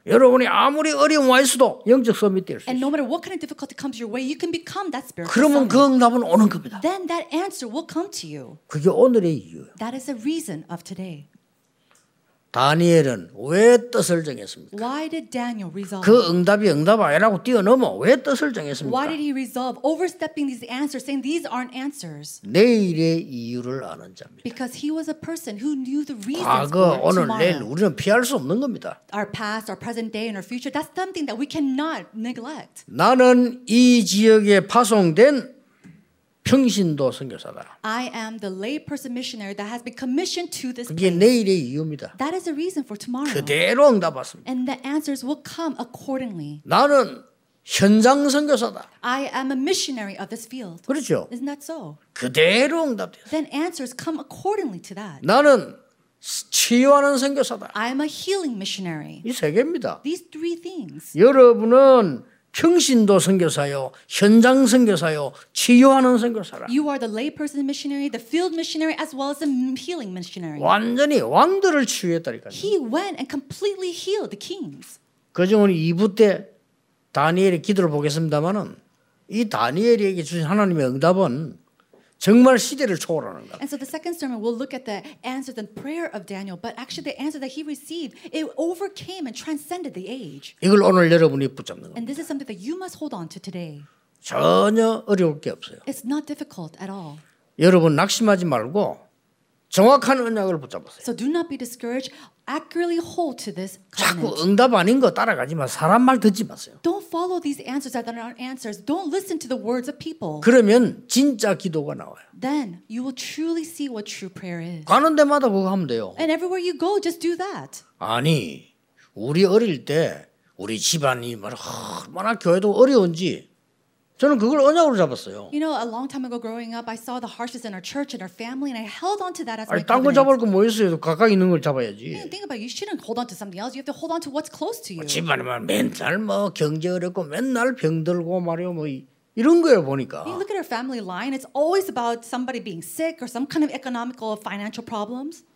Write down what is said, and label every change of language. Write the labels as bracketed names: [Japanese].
[Korean] 여러분이 아무리 어려운 와이스도 영적 서밋 될 수 있어요. [English] And no matter what kind of difficulty comes your way, you can become that spiritual. [Korean] 그러면 그 응답은 오는 겁니다. [English] Then that answer will come to you. [Korean] 그게 오늘의 이유. [English] That is the reason of today. [Korean] 다니엘은 왜 뜻을 정했습니까? [English] Why did Daniel resolve? [Korean] 그 응답이 응답 아니라고 뛰어넘어 왜 뜻을 정했습니까? [English] Why did he resolve overstepping these answers saying these aren't answers? [Korean] 내일의 이유를 아는 자입니다. [English] Because he was a person who knew the reasons [Korean] 과거, [English] for tomorrow. [Korean] 오늘 내일 우리는 피할 수 없는 겁니다. [English] Our past, our present day and our future that's something that we cannot neglect. [Korean] 나는 이 지역에 파송된 평신도 선교사다. [English] I am the layperson missionary that has been commissioned to this. [Korean] 그게 내일의 이유입니다. [English] That is the reason for tomorrow. [Korean] 그대로 응답했습니다. [English] And the answers will come accordingly. [Korean] 나는 현장 선교사다. [English] I am a missionary of this field. [Korean] 그렇죠. [English] Isn't that so? [Korean] 그대로 응답됐어요. [English] Then answers come accordingly to that. [Korean] 나는 치유하는 선교사다. [English] I am a healing missionary. [Korean] 이 세 개입니다. [English] These three things. [Korean] 여러분은 평신도 선교사요, 현장 선교사요, 치유하는 선교사라. [English] You are the layperson missionary, the field missionary, as well as the healing missionary. [Korean] 완전히 왕들을 치유했다니까요. [English] He went and completely healed the kings. [Korean] 그중 오늘 2부 때 다니엘의 기도를 보겠습니다만은 이 다니엘에게 주신 하나님의 응답은 정말 시대를 초월하는 거. [English] And so the second sermon we'll look at the answer the prayer of Daniel, but actually the answer that he received it overcame and transcended the age. [Korean] 이걸 오늘 여러분이 붙잡는 거. [English] And this is something that you must hold on to today. [Korean] 전혀 어려울 게 없어요. [English] It's not difficult at all. [Korean] 여러분 낙심하지 말고 정확한 언약을 붙잡으세요. [English] So do not be discouraged. Accurately hold to this covenant. [Korean] 자꾸 응답 아닌 거 따라가지 마. 사람 말 듣지 마세요. [English] Don't follow these answers that are not answers. Don't listen to the words of people. [Korean] 그러면 진짜 기도가 나와요. [English] Then you will truly see what true prayer is. [Korean] 가는 데마다 그거 하면 돼요. [English] And everywhere you go, just do that. [Korean] 아니, 우리 어릴 때 우리 집안이 얼마나 교회도 어려운지 저는 그걸 언약으로 잡았어요. [English] You know, a long time ago growing up, I saw the hardships in our church and our family, and I held on to that as my covenant. [Korean] 딴 거 잡을 거 뭐 있어요? 가까이 있는 걸 잡아야지. [English] Yeah, think about it. You shouldn't hold on to something else. You have to hold on to what's close to you. [Korean] 집안에만 맨날 뭐 경제 어렵고 맨날 병들고 말이요 뭐 이런 거예요 보니까. [English] You look at our family line. It's always about somebody being sick or some kind of economical or financial problems.